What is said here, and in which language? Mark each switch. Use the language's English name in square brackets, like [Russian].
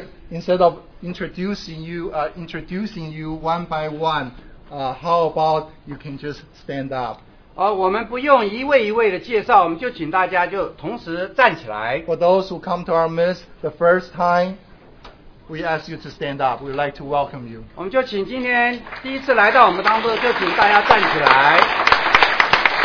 [English] Instead of introducing you one by one, how about you can just stand up? [Chinese] 我们不用一位一位的介绍，我们就请大家就同时站起来。 [English] For those who come to our midst the first time, we ask you to stand up. We'd like to welcome you. [Chinese] 我们就请今天第一次来到我们当中的，就请大家站起来。